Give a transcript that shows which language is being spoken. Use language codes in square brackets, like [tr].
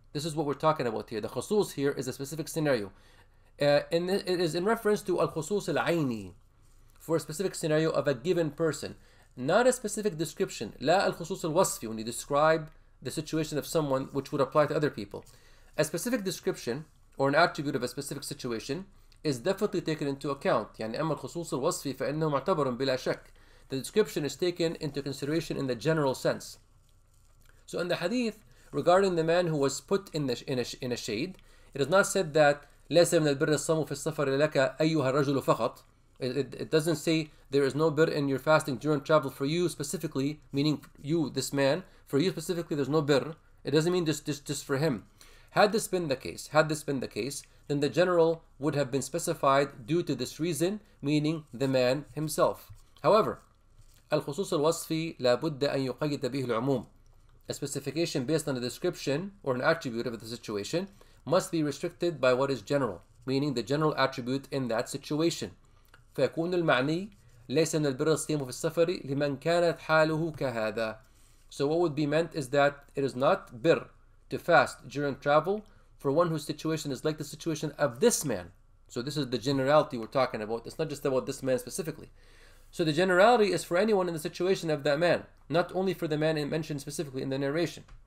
[en] This is what we're talking about here. The khusus here is a specific scenario. And it is in reference to al-khusus al-ayni, for a specific scenario of a given person, not a specific description. لا al-khusus al-wasfi, when you describe the situation of someone which would apply to other people. A specific description or an attribute of a specific situation is definitely taken into account. [ar] يعني أما الخصوص الوصفي فإنه معتبر بلا شك. [en] The description is taken into consideration in the general sense. So in the hadith regarding the man who was put in a shade, it is not said that [ar] ليس من البر الصوم في السفر لك أيها الرجل فقط. [en] It doesn't say there is no birr in your fasting during travel for you specifically, meaning you, this man, for you specifically there's no birr. It doesn't mean just for him. Had this been the case, then the general would have been specified due to this reason, meaning the man himself. [ar] However, الخصوص الوصفي لابد أن يقيد به العموم. [en] A specification based on a description or an attribute of the situation must be restricted by what is general, meaning the general attribute in that situation. [ar] فيكون المعني ليس من البر الصيام في السفر لمن كانت حاله كهذا. [en] So what would be meant is that it is not birr to fast during travel for one whose situation is like the situation of this man. So this is the generality we're talking about. It's not just about this man specifically. So the generality is for anyone in the situation of that man, not only for the man mentioned specifically in the narration.